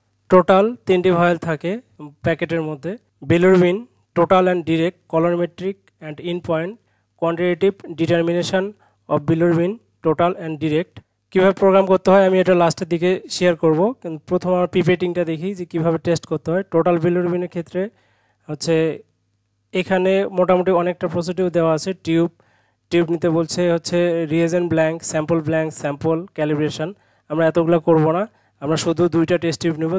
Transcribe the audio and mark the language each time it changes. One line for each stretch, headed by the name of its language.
Bangla: Total 3টি vial থাকে প্যাকেটের মধ্যে.
English: Bilirubin total and direct colorimetric and in point quantitative determination of bilirubin total and direct.
Bangla: কিভাবে programme করতে হয় আমি এটা লাস্টের দিকে শেয়ার করব, কিন্তু প্রথম আমরা পিপেটিংটা দেখি যে কিভাবে টেস্ট করতে হয়। টোটাল বিলিরুবিনের ক্ষেত্রে হচ্ছে এখানে মোটামুটি অনেকটা প্রসিডিউর দেওয়া আছে। টিউব নিতে বলছে, হচ্ছে reagent blank, sample blank, sample calibration, আমরা এতগুলো করব না, আমরা শুধু দুইটা টেস্ট টিউব নেব।